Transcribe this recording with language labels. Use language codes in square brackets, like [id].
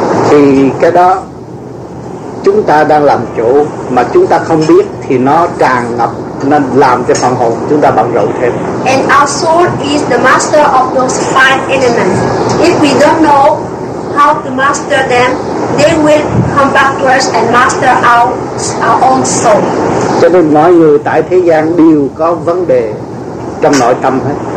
[vi] Thì cái đó chúng ta đang làm chủ, mà chúng ta không biết thì nó tràn ngập, nó làm cho phần hồn chúng ta bận rộn thêm. [en] And our soul is the master of those five elements. If we don't know how to master them, they will come back to us and master our own soul. [vi] Cho nên mọi người tại thế gian đều có vấn đề trong nội tâm hết.